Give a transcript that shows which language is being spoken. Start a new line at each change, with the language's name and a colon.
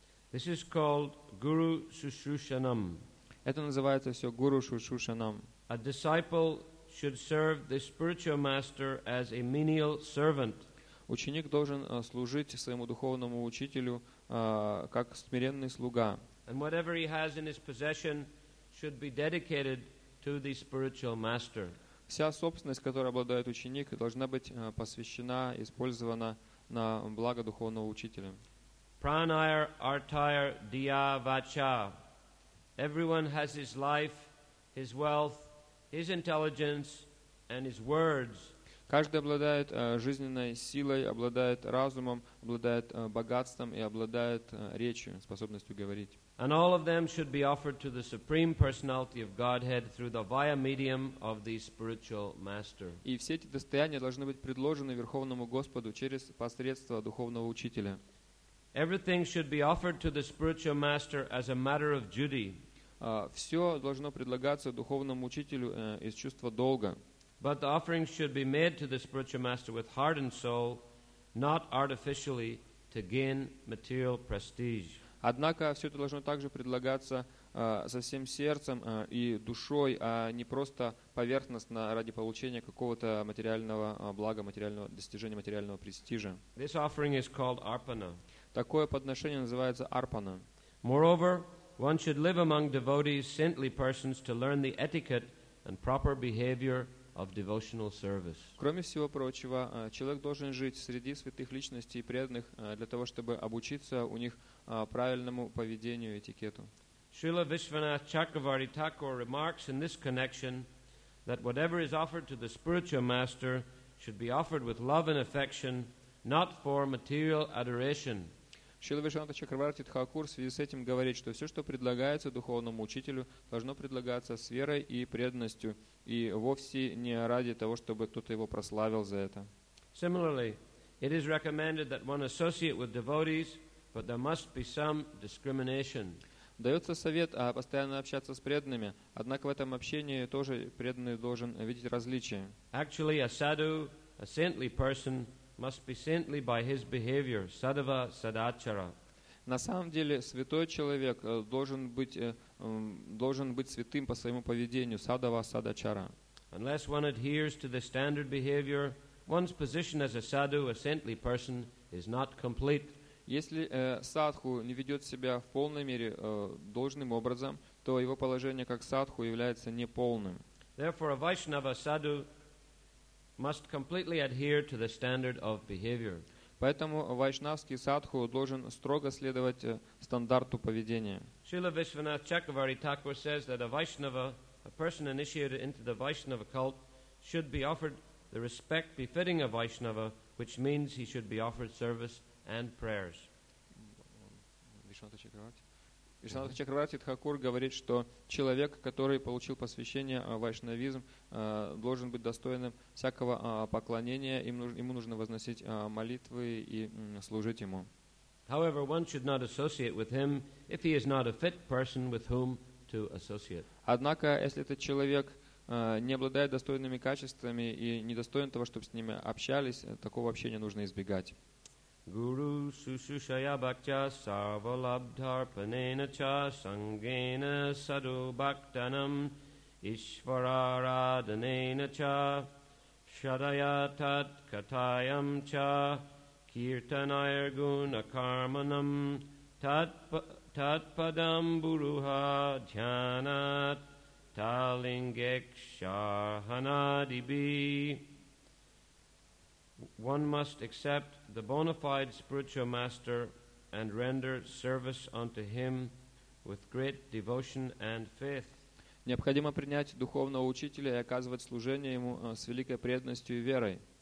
English: This is called Guru Shushushanam.
Russian: Это называется все Гуру Шушушанам.
English: A disciple should serve the spiritual master as a menial servant.
Russian: Ученик должен служить своему духовному учителю как смиренный слуга.
English: And whatever he has in his possession should be dedicated to the spiritual master.
Russian: Вся собственность, которой обладает ученик, должна быть посвящена, использована на благо духовного учителя.
Sanskrit: Pranayar artayar diya vacha.
English: Everyone has his life, his wealth, his intelligence, and his words.
Russian: Каждый обладает жизненной силой, обладает разумом, обладает богатством и обладает речью, способностью говорить.
English: And all of them should be offered to the Supreme Personality of Godhead through the via medium of the spiritual master.
Russian: И все эти достояния должны быть предложены Верховному Господу через посредство духовного учителя.
English: Everything should be offered to the spiritual master as a matter of duty.
Russian: Все должно предлагаться духовному учителю из чувства долга.
English: But the offering should be made to the spiritual master with heart and soul, not artificially to gain material prestige.
Russian: Однако все это должно также предлагаться со всем сердцем и душой, а не просто поверхностно ради получения какого-то материального блага, материального достижения, материального престижа.
English: This offering is called arpana.
Russian: Такое подношение называется арпана.
English: Moreover, one should live among devotees, saintly persons, to learn the etiquette and proper behavior of devotional service.
Russian: Кроме всего прочего, человек должен жить среди святых личностей и преданных для того, чтобы обучиться у них правильному поведению и этикету.
English: Srila Vishwanath Chakravarti Thakur remarks in this connection that whatever is offered to the spiritual master should be offered with love and affection, not for material adoration.
Russian: Шрила Вишванатха Чакраварти Тхакур в связи с этим говорит, что все, что предлагается духовному учителю, должно предлагаться с верой и преданностью, и вовсе не ради того, чтобы кто-то его прославил за это.
English: Similarly, it is recommended that one associate with devotees, but there must be some discrimination.
Russian: Дается совет постоянно общаться с преданными, однако в этом общении тоже преданный должен видеть различия.
English: Actually, a sadhu, a saintly person, must be saintly by his behavior,
Sanskrit: sadhava sadachara.
Russian: На самом деле, святой человек должен быть святым по своему поведению,
Sanskrit: sadhava sadachara.
English: Unless one adheres to the standard behavior, one's position as a sadhu, a saintly person, is not complete.
Russian: Если садху не ведет себя в полной мере должным образом, то его положение как садху является неполным.
English: Therefore, a Vaishnava sadhu must completely adhere to the standard of behavior.
Russian: Поэтому вайшнавский садху должен строго следовать стандарту поведения.
English: Srila Vishwanath Chakravarti Thakur says that a Vaishnava, a person initiated into the Vaishnava cult, should be offered the respect befitting a Vaishnava, which means he should be offered service and prayers.
Russian: Вишванатха Чакраварти Тхакур говорит, что человек, который получил посвящение вайшнавизм, должен быть достойным всякого поклонения, ему нужно возносить молитвы и служить ему.
English: However, one should not associate with him if he is not a fit person with whom to associate.
Russian: Однако, если этот человек не обладает достойными качествами и недостоин того, чтобы с ними общались, такого общения нужно избегать.
Sanskrit: Guru Sushushaya Bhakcha Sarvalabdhar Panena Cha Sangena Sadhu Bhaktanam Ishvararadhanena Cha Shadayatat Katayam Cha Kirtanayar Gunakarmanam Tatpadam Buruha Dhyanat Talingek Shahanadibi.
English: One must accept the bona fide spiritual master and render service unto him with great devotion and faith.
Russian: Необходимо принять духовного учителя и оказывать служение ему с великой преданностью и верой.